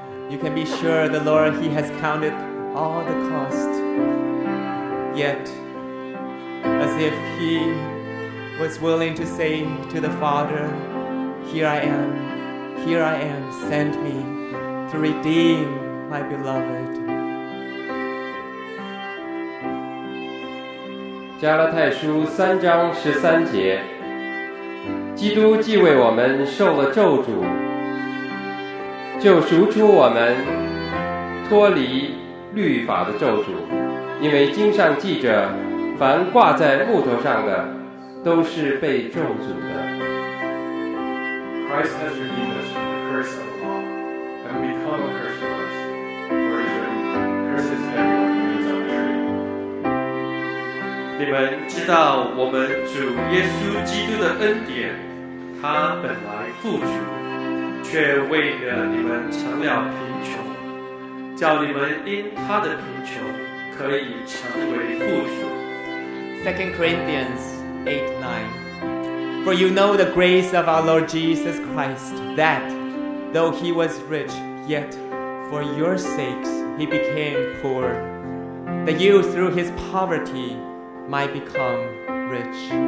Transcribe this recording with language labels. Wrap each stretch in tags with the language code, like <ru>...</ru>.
<en>You can be sure the Lord, he has counted all the cost, yet as if he was willing to say to the Father, here I am, send me to redeem my beloved.</en> <zh>加拉太书三章十三节，基督既为我们受了咒诅，就赎出我们脱离律法的咒诅，因为经上记着，凡挂在木头上的都是被咒诅的。</zh> <en>Christ has redeemed us from the curse of the law and become a curse for us. For it is written, curse is everyone who eats of the tree.</en> <zh>你们知道我们主耶稣基督的恩典，他本来富足，却为了你们成了贫穷，叫你们因他的贫穷可以成为富足。</zh> <en>2 Corinthians 8:9. For you know the grace of our Lord Jesus Christ, that though he was rich, yet for your sakes he became poor, that you through his poverty might become rich.</en>